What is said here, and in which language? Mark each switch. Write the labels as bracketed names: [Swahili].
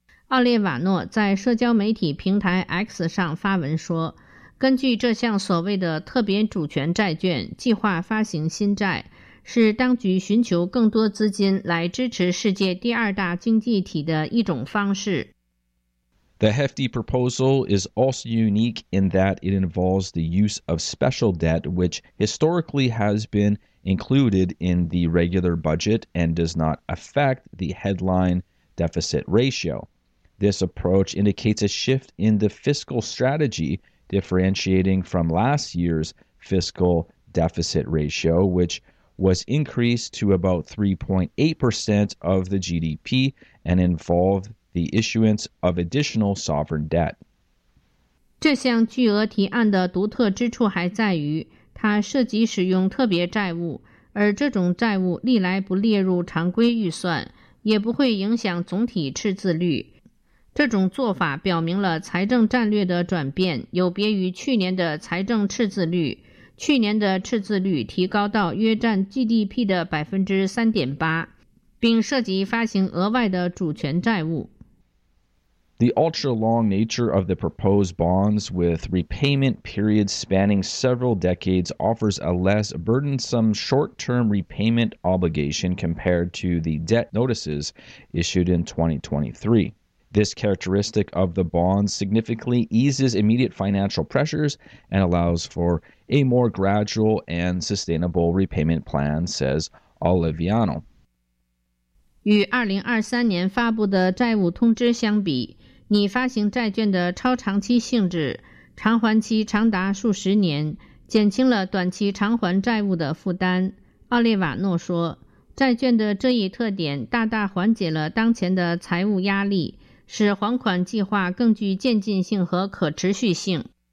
[Chinese] 奥列瓦诺在社交媒体平台 X 上发文说，根据这项所谓的特别主权债券计划发行新债，是当局寻求更多资金来支持世界第二大经济体的一种方式。 [English] The hefty proposal is also unique in that it involves the use of special debt, which historically has been included in the regular budget and does not affect the headline deficit ratio. This approach indicates a shift in the fiscal strategy, differentiating from last year's fiscal deficit ratio, whichwas increased to about 3.8% of the GDP and involved the issuance of additional sovereign debt. [Chinese] 这项巨额提案的独特之处还在于，它涉及使用特别债务，而这种债务历来不列入常规预算，也不会影响总体赤字率。这种做法表明了财政战略的转变，有别于去年的财政赤字率。去年的赤字率提高到约占 GDP 的 3.8%， 并涉及发行额外的主权债务。 [English] The ultra-long nature of the proposed bonds with repayment periods spanning several decades offers a less burdensome short-term repayment obligation compared to the debt notices issued in 2023. This characteristic of the bonds significantly eases immediate financial pressures and allows for a more gradual and sustainable repayment plan, says Oliviano. [Chinese] 与2023年发布的债务通知相比，拟发行债券的超长期性质，偿还期长达数十年，减轻了短期偿还债务的负担。奥列瓦诺说，债券的这一特点大大缓解了当前的财务压力，使还款计划更具渐进性和可持续性。